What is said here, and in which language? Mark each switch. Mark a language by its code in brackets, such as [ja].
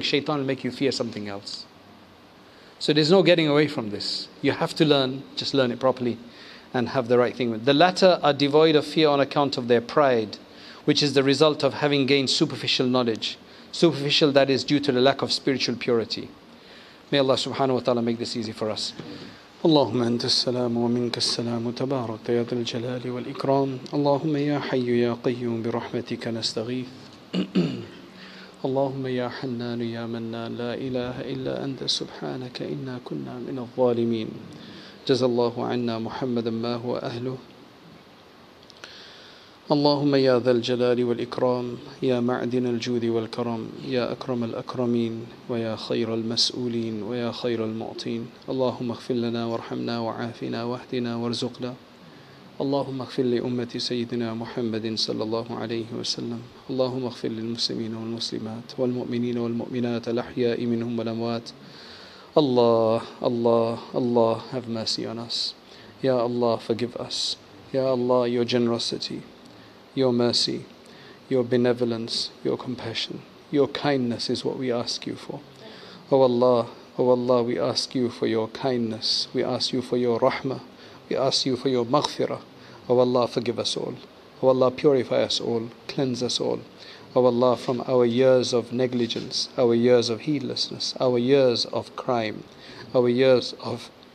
[en] Shaitan will make you fear something else. So there's no getting away from this. You have to learn, just learn it properly and have the right thing. The latter are devoid of fear on account of their pride, which is the result of having gained superficial knowledge. Superficial, that is, due to the lack of spiritual purity. May Allah subhanahu wa ta'ala make this easy for us. [ar] اللهم أنت السلام ومنك السلام تبارك يا ذا الجلال والإكرام اللهم يا حي يا قيوم برحمتك نستغيث اللهم يا حنان يا منان لا إله إلا أنت سبحانك إنا كنا من الظالمين جزى الله عنا محمدا ما هو أهله اللهم يا ذا الجلال والإكرام يا معدن الجود والكرم يا أكرم الأكرمين ويا خير المسؤولين ويا خير المعطين اللهم اغفر لنا وارحمنا وعافنا واهدنا وارزقنا اللهم اغفر لأمة سيدنا محمد صلى الله عليه وسلم اللهم اغفر للمسلمين والمسلمات والمؤمنين والمؤمنات الأحياء منهم والأموات الله الله الله [en] have mercy on us [ar] يا الله [en] forgive us يا الله your generosity Your mercy, your benevolence, your compassion, your kindness is what we ask you for. Oh Allah, we ask you for your kindness. We ask you for your rahmah. We ask you for your maghfirah. Oh Allah, forgive us all. Oh Allah, purify us all, cleanse us all. Oh Allah, from our years of negligence, our years of heedlessness, our years of crime, our years of...